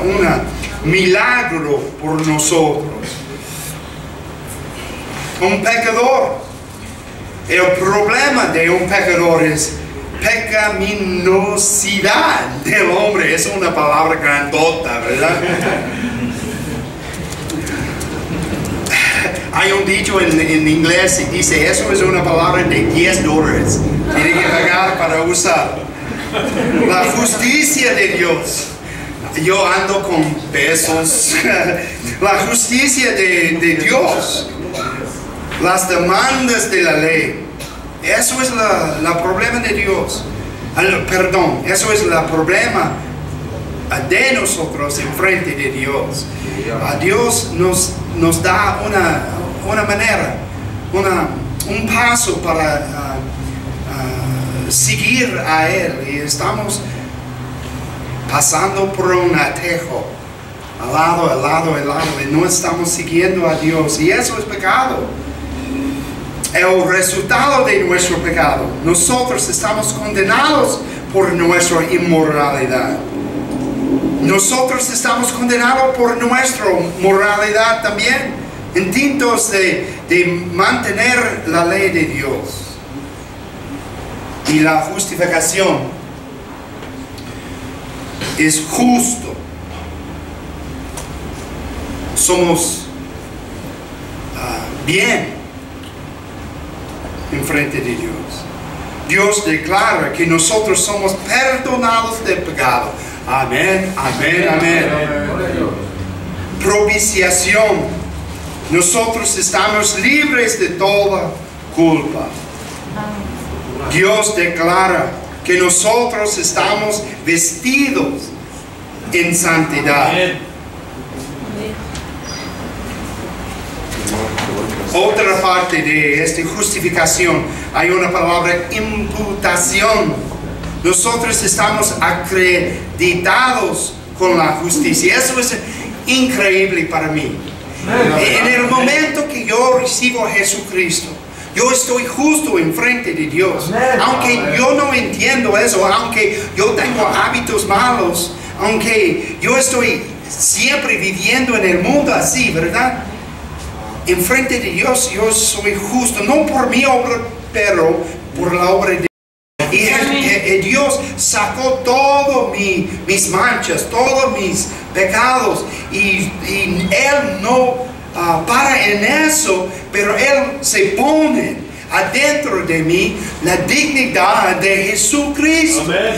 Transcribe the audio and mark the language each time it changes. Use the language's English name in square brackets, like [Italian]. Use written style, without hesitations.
[Spanish] Un milagro por nosotros. Un pecador. El problema de un pecador es pecaminosidad del hombre. Es una palabra grandota, ¿verdad? [Portuguese] Há dito em inglês que diz: isso é uma palavra de 10 dólares. Tem que pagar para usar. [Spanish] La [Portuguese] justiça de Deus. Eu ando com pesos. [Spanish] La [Portuguese] justiça de Deus. [Spanish] Las demandas de la ley. Eso es la problema de Dios. Perdón, eso es la problema de nosotros en frente de Dios. A Dios nos da una manera, un paso para seguir a Él. Y estamos pasando por un atajo, al lado, y no estamos siguiendo a Dios. Y eso es pecado. [Portuguese] É o resultado de nosso pecado. [Spanish] Nosotros estamos condenados por [Portuguese] nossa imoralidade. [Spanish] Nosotros estamos condenados por [Portuguese] nossa moralidade também, [Spanish] intentos de mantener la ley de Dios. Y la justificación es justo. Somos bien en frente de Dios. Dios declara que nosotros somos perdonados de pecado. Amén, amén, amén. Propiciación. Nosotros estamos libres de toda culpa. Dios declara que nosotros estamos vestidos en santidad. [Portuguese] Outra parte de esta justificação, há uma palavra: imputação. [Spanish] Nosotros estamos acreditados [Portuguese] com a justiça. Isso é incrível para mim. [Spanish] En el momento [Portuguese] que eu recibo a Jesucristo, eu estou justo em frente de Deus. Aunque eu não entendo isso, aunque eu tenho hábitos malos, aunque eu estou sempre [Spanish] viviendo en el mundo [Portuguese] assim, ¿verdad? [Spanish] En frente de Dios, yo soy justo, no por mi obra, pero por la obra de Dios. Y Dios sacó todas mis manchas, todos mis pecados, y Él no para en eso, pero Él se pone adentro de mí la dignidad de Jesucristo.